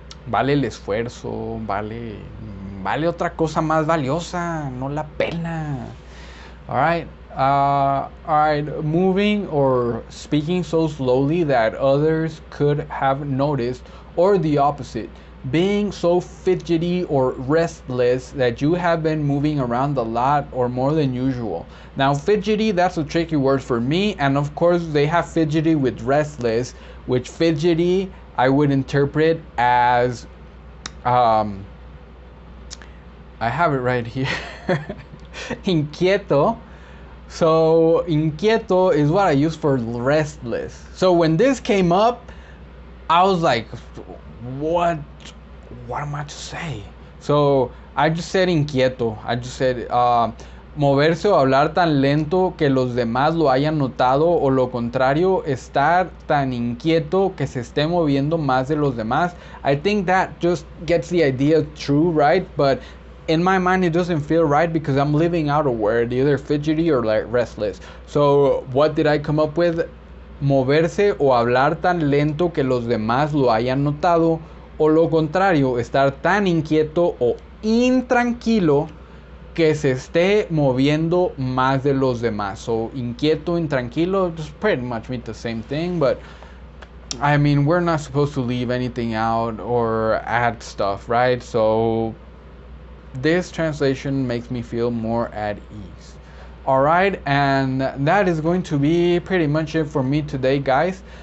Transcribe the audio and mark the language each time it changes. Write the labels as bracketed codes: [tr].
[es] Vale el esfuerzo, vale otra cosa más valiosa, no la pena. [en] All right, moving or speaking so slowly that others could have noticed, or the opposite, being so fidgety or restless that you have been moving around a lot or more than usual. Now, fidgety, that's a tricky word for me, and of course they have fidgety with restless, which fidgety I would interpret as, I have it right here. Inquieto. So inquieto is what I use for restless. So when this came up, I was like, what am I to say? So I just said inquieto. I just said, [es] moverse o hablar tan lento que los demás lo hayan notado, o lo contrario, estar tan inquieto que se esté moviendo más de los demás. [en] I think that just gets the idea true, right? But in my mind, it doesn't feel right because I'm leaving out a word, either fidgety or like restless. So what did I come up with? [es] Moverse o hablar tan lento que los demás lo hayan notado, o lo contrario, estar tan inquieto o intranquilo que se esté moviendo más de los demás. [en] So inquieto, intranquilo, just pretty much mean the same thing, but I mean, we're not supposed to leave anything out or add stuff, right? So this translation makes me feel more at ease. All right, and that is going to be pretty much it for me today, guys.